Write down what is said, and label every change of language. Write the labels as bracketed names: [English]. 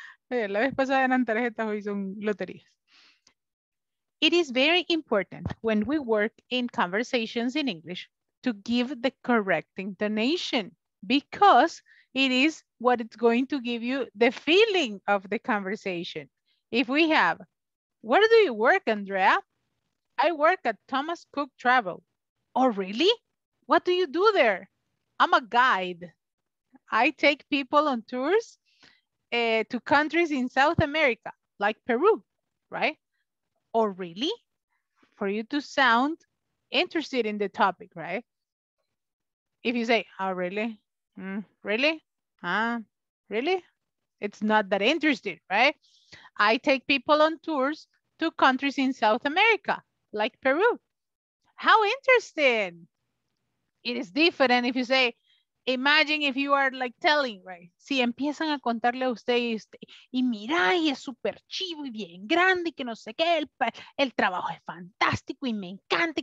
[Spanish] La vez pasada eran tarjetas, hoy son loterías. [English] It is very important when we work in conversations in English to give the correct intonation, because it is what it's going to give you the feeling of the conversation. If we have, where do you work, Andrea? I work at Thomas Cook Travel. Oh, really? What do you do there? I'm a guide. I take people on tours to countries in South America, like Peru, right? Oh, really? For you to sound interested in the topic, right? If you say, oh, really? Really? Really? It's not that interesting, right? I take people on tours to countries in South America, like Peru. How interesting! It is different if you say, imagine if you are like telling, right? [Spanish] Si empiezan a contarle a usted y mira, y es súper chivo y bien grande y que no sé qué, el trabajo es fantástico y me encanta.